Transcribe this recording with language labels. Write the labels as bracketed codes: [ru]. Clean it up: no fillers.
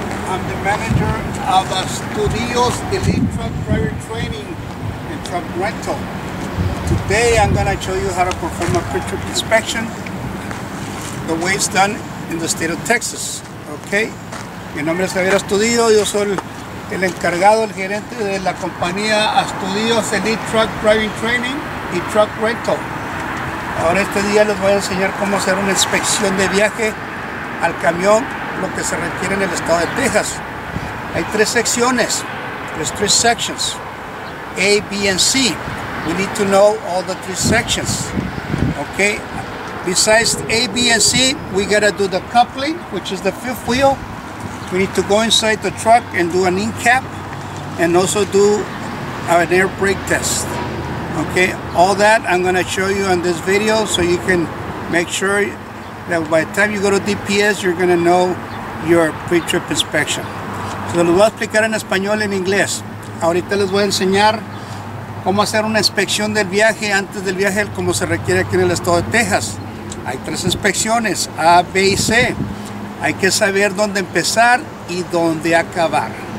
[en] I'm the manager of Astudillo's Elite Truck Driver Training and Truck Rental. Today I'm going to show you how to perform a pre-trip inspection the way it's done in the state of Texas. Okay? [es] Mi nombre es Javier Astudillo, yo soy el encargado, el gerente de la compañía Astudillo's Elite Truck Driving Training y Truck Rental. Ahora este día les voy a enseñar cómo hacer una inspección de viaje al camión, lo que se requiere en el estado de Texas. Hay tres secciones, [en] there's three sections, A, B, and C. We need to know all the three sections, okay? Besides A, B, and C, we gotta do the coupling, which is the fifth wheel. We need to go inside the truck and do an in-cap and also do an air brake test. Okay, all that I'm gonna show you on this video so you can make sure that by the time you go to DPS, you're gonna know your pre-trip inspection. [es] So, les voy a explicar en español y en inglés. Ahorita les voy a enseñar cómo hacer una inspección del viaje antes del viaje, como se requiere aquí en el estado de Texas. Hay tres inspecciones, A, B y C. Hay que saber dónde empezar y dónde acabar.